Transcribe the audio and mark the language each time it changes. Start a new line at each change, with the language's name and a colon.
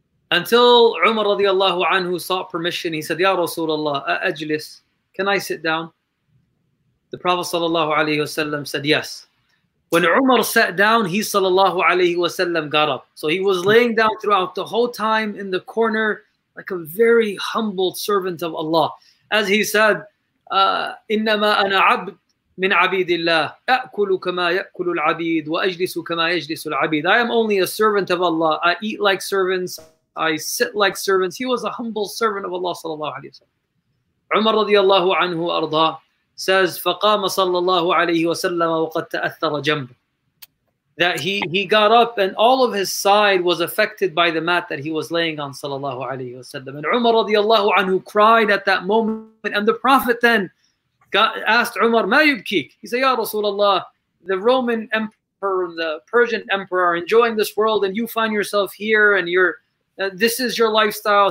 English: Until Umar radiallahu anhu sought permission, he said, Ya Rasulullah, ajlis, can I sit down? The Prophet sallallahu alaihi wasallam said, yes. When Umar sat down, he sallallahu alaihi wasallam got up. So he was laying down throughout the whole time in the corner, like a very humble servant of Allah. As he said,
Arabic: إنما أنا عبد من عبيد الله أأكل كما يأكل العبيد وأجلس كما يجلس العبيد.
English: I am only a servant of Allah. I eat like servants. I sit like servants. He was a humble servant of Allah صلى الله عليه وسلم.
Arabic: عمر رضي الله عنه أرضاه says فقام صلى الله عليه وسلم وقد تأثر جنبه.
English: That he got up and all of his side was affected by the mat that he was laying on, sallallahu alayhi wa sallam. And Umar radiallahu anhu cried at that moment. And the Prophet then asked Umar,
Arabic: ma yubkik?
English: He said, Ya Rasulullah, the Roman emperor and the Persian emperor are enjoying this world and you find yourself here and this is your lifestyle.